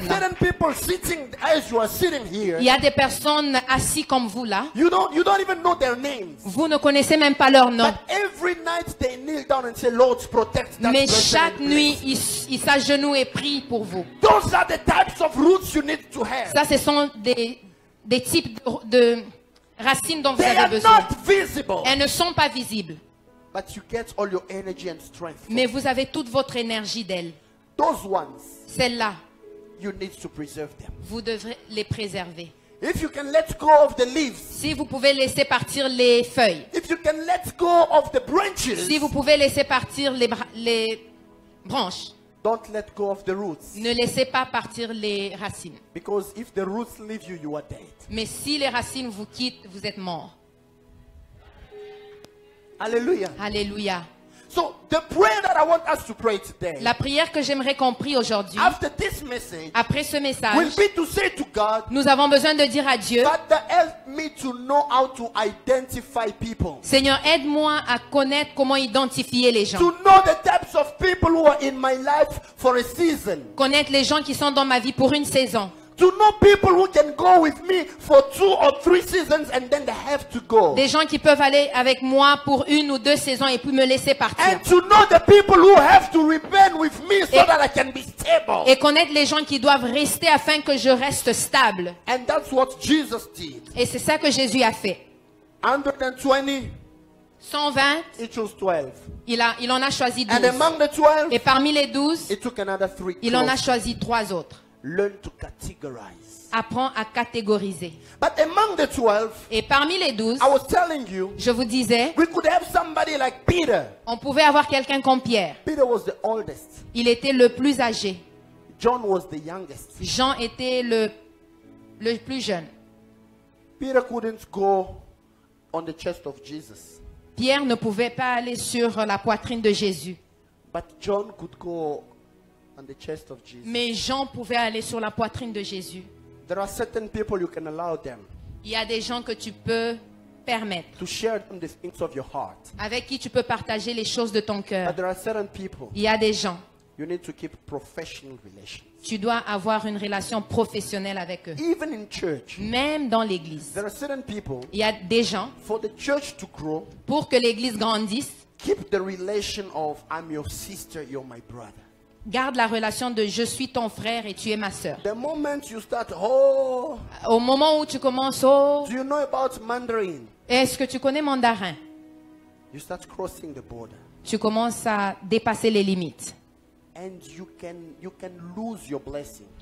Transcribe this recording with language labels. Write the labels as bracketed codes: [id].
[en] There are certain people sitting as you are sitting here. [fr] Il y a des personnes assises comme vous là. [en] You don't even know their names. [fr] Vous ne connaissez même pas leur nom. [en] But every night they kneel down and say, "Lord, protect that person." [fr] Mais chaque nuit, ils s'agenouillent et prient pour vous. [en] Those are the types of roots you need to have. [fr] Ça, ce sont des types de racines dont vous [en] they [fr] avez besoin. [en] They are not visible. [fr] Elles ne sont pas visibles. [en] But you get all your energy and strength. [fr] Mais vous avez toute votre énergie d'elle. [en] Those ones. [fr] Celles-là. [en] You need to preserve them. [fr] Vous devrez les préserver. [en] If you can let go of the leaves. [fr] Si vous pouvez laisser partir les feuilles. [en] If you can let go of the branches. [fr] Si vous pouvez laisser partir les branches. [en] Don't let go of the roots. [fr] Ne laissez pas partir les racines. [en] Because if the roots leave you, you are dead. [fr] Mais si les racines vous quittent, vous êtes mort. Alléluia. Alléluia. [en] So the prayer that I want us to pray today. [fr] La prière que j'aimerais qu'on prie aujourd'hui. [en] After this message. [fr] Après ce message. [en] Will be to say to God. [fr] Nous avons besoin de dire à Dieu. [en] God, help me to know how to identify people. [fr] Seigneur, aide-moi à connaître comment identifier les gens. [en] To know the types of people who are in my life for a season. [fr] Connaître les gens qui sont dans ma vie pour une saison. [en] To know people who can go with me for two or three seasons and then they have to go. [fr] Des gens qui peuvent aller avec moi pour une ou deux saisons et puis me laisser partir. [en] And to know the people who have to remain with me so that I can be stable. [fr] Et connaître les gens qui doivent rester afin que je reste stable. [en] And that's what Jesus did. [fr] Et c'est ça que Jésus a fait. [en] 120. [fr] 120. [en] He chose 12. [fr] Il en a choisi 12. [en] And among the 12. [fr] Et parmi les 12. [en] He took another three. [fr] Il en a choisi 3 autres. [en] Learn to categorize. [fr] Apprends à catégoriser. [en] But among the 12, [fr] et parmi les 12, [en] I was telling you, [fr] je vous disais, [en] we could have somebody like Peter. [fr] On pouvait avoir quelqu'un comme Pierre. [en] Peter was the oldest. [fr] Il était le plus âgé. [en] John was the youngest. [fr] Jean était le plus jeune. [en] Peter couldn't go on the chest of Jesus. [fr] Pierre ne pouvait pas aller sur la poitrine de Jésus. [en] But John could go on the chest of Jesus. [fr] Mais Jean pouvait aller sur la poitrine de Jésus. [en] There are certain people you can allow them. [fr] Il y a des gens que tu peux permettre. [en] To share them the things of your heart. [fr] Avec qui tu peux partager les choses de ton cœur. [en] But there are certain people. [fr] Il y a des gens. [en] You need to keep professional relations. [fr] Tu dois avoir une relation professionnelle avec eux. [en] Even in church. [fr] Même dans l'église. [en] There are certain people. [fr] Il y a des gens. [en] For the church to grow. [fr] Pour que l'église grandisse. [en] Keep the relation of I'm your sister, you're my brother. [fr] Garde la relation de je suis ton frère et tu es ma sœur. [en] The moment you start, oh, [fr] au moment où tu commences, oh, [en] do you know about Mandarin? [fr] Est-ce que tu connais mandarin? [en] You start crossing the border. [fr] Tu commences à dépasser les limites. [en] And you can lose your blessing.